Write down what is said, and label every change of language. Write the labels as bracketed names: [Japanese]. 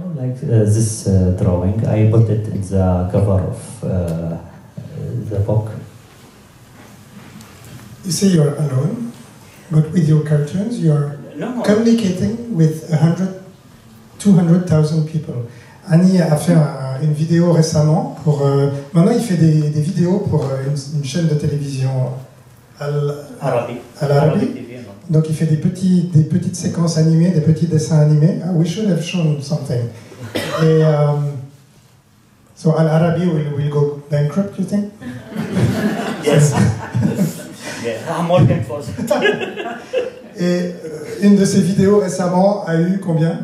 [English] like this drawing. I put it in the cover of the book. You say you're alone, but with your cartoons, you're communicating with 200,000 people. [French] Annie a fait une vidéo récemment pour. Maintenant, il fait des vidéos pour une chaîne de télévision. Arabie. Donc, il fait des petites séquences animées, des petits dessins animés. [English] Ah, we should have shown something. Et, so, Al Arabi will go bankrupt, you think? Yes. Yeah, I'm working for it. [French] Et une de ses vidéos récemment a eu combien?